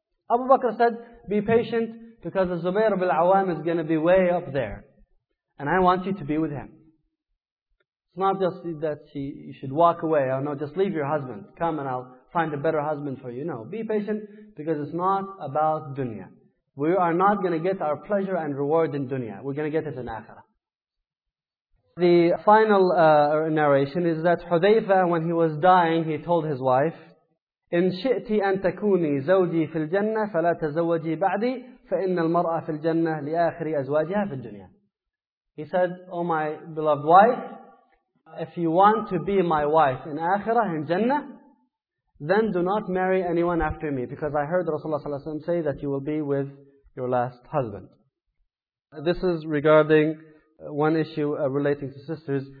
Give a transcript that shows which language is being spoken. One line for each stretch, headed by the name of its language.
English: Abu Bakr said, "Be patient, because the Zubayr ibn al-Awwam is going to be way up there, and I want you to be with him." It's not just that you should walk away. Oh no, just leave your husband. Come and I'll find a better husband for you. No, be patient, because it's not about dunya. We are not going to get our pleasure and reward in dunya. We're going to get it in akhirah. The final narration is that Hudhayfa, when he was dying, he told his wife,
Arabic: إِن شِئْتِ أَن تَكُونِي زَوْجِي فِي الْجَنَّةِ فَلَا تَزَوَّجِي بَعْدِي فَإِنَّ الْمَرْأَ فِي الْجَنَّةِ لِآخِرِ أَزْوَاجِهَا فِي الدُّنْيَا.
English: He said, Oh my beloved wife, if you want to be my wife in akhirah, in Jannah, then do not marry anyone after me. Because I heard Rasulullah sallallahu alaihi wasallam say that you will be with your last husband. This is regarding one issue relating to sisters.